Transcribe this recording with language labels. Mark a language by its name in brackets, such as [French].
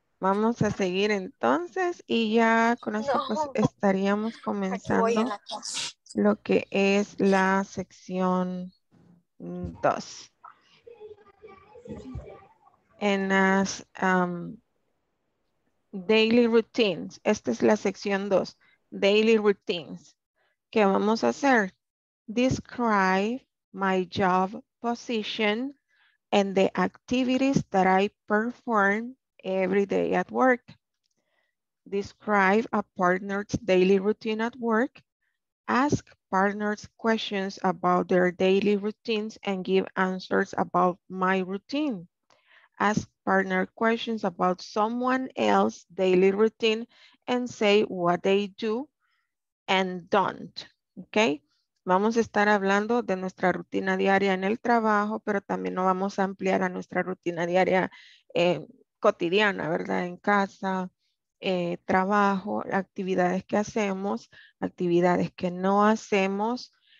[Spanish] Vamos a seguir entonces y ya con esto pues estaríamos comenzando lo que es la sección 2. En las daily routines, esta es la sección 2, daily routines. ¿Qué vamos a hacer? [English] Describe my job position and the activities that I perform every day at work. Describe a partner's daily routine at work. Ask partners questions about their daily routines and give answers about my routine. Ask partner questions about someone else's daily routine and say what they do and don't. Okay? [Spanish] Vamos a estar hablando de nuestra rutina diaria en el trabajo, pero también nos vamos a ampliar a nuestra rutina diaria cotidiana, ¿verdad? En casa, trabajo, actividades que hacemos, actividades que no hacemos.